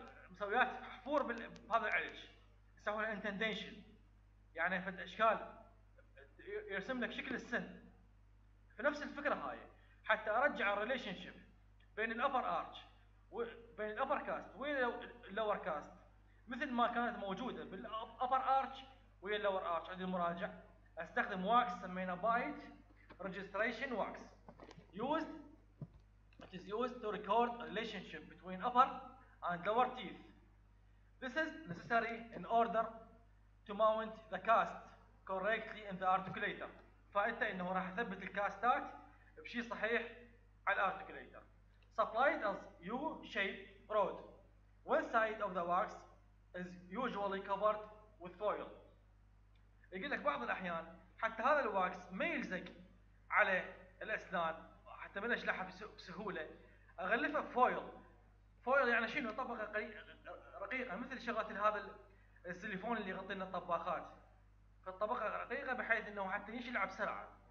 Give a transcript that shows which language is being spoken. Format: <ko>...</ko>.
<ar>مسويات حفور بهذا العلج، يسوون انتنديشن يعني في الاشكال، يرسم لك شكل السن. في نفس الفكره هاي حتى ارجع الريليشن شيب بين الابر ارج وبين الابر كاست واللور كاست، مثل ما كانت موجوده بالابر ارج ويا اللور ارج. عندي المراجع استخدم واكس سمينا بايت ريجستريشن واكس يوزد</ar> <en>It is used to record a relationship between upper and lower teeth. This is necessary in order to mount the cast correctly in the articulator.</en> <ar>فأنت إنه راح تثبت الكاستات بشيء صحيح على الارتيكوليتر.</ar> <en>Supplied as U-shaped rod. One side of the wax is usually covered with foil.</en> <ar>يقول لك بعض الأحيان حتى هذا الواكس ما يلزق على الأسنان. حتى بلش لحى بسهولة أغلفه فويل. فويل يعني شنو؟ طبقة رقيقة مثل شغلات هذا السليفون اللي يغطينا الطباخات، فالطبقة رقيقة بحيث إنه حتى يشلع بسرعة.</ar>